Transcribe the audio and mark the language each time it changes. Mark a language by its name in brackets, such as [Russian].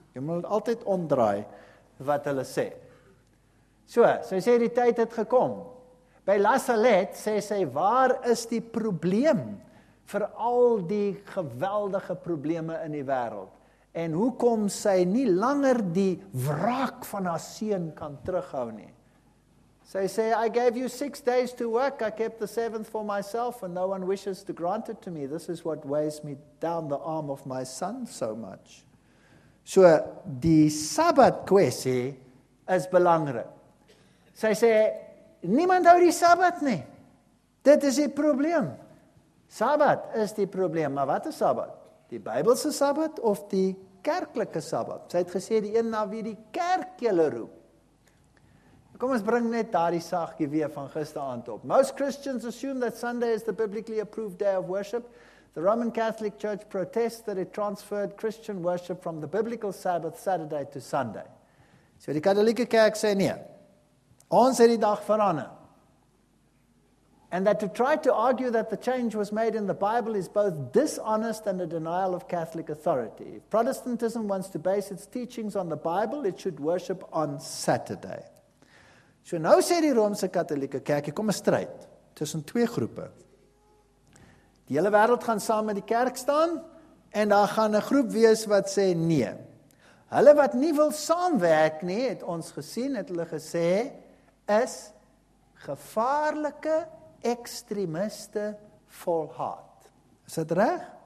[Afrikaans] Jy moet altyd omdraai wat hulle sê. So, sy sê die tyd het gekom. By Lasalet sê sy, waar is die probleem vir al die geweldige probleme in die wêreld? en hoekom sy nie langer die wraak van haar seun kan terughou nie. Sy sê, [English] I gave you 6 days to work, I kept the seventh for myself, and no one wishes to grant it to me. This is what weighs me down the arm of my son so much. [Afrikaans] So, die Sabbat kwestie is belangrik. Sy sê, niemand hou die Sabbat nie. Dit is die probleem. Sabbat is die probleem, maar wat is Sabbat? Die Bybelse Sabbat of die kerklike Sabbat? Sy het gesê die een na wie die kerk julle roep. Kom ons bring net daardie saggie weer van gisteraand op. [English] Most Christians assume that Sunday is the biblically approved day of worship. The Roman Catholic Church protests that it transferred Christian worship from the biblical Sabbath Saturday to Sunday. [Afrikaans] So die katholieke kerk sê nee. Ons het die dag verander. [English] And that to try to argue that the change was made in the Bible is both dishonest and a denial of Catholic authority. If Protestantism wants to base its teachings on the Bible, it should worship on Saturday. [Afrikaans] So nou sê die Romeinse Katolieke Kerk, hier kom 'n stryd tussen twee groepe. Die hele wêreld gaan saam met die kerk staan en daar gaan 'n groep wees wat sê nee. Hulle wat nie wil saamwerk nie, het ons gesien, het hulle gesê is gevaarlike ekstremiste volhard. Is dit reg?